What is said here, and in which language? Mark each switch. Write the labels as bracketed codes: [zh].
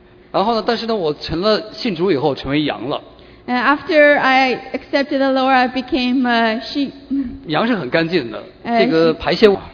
[zh] 然后呢，但是呢，我成了信主以后成为羊了。 [en] And after I accepted the Lord, I became a sheep. [zh] 羊是很干净的，这个排泄物。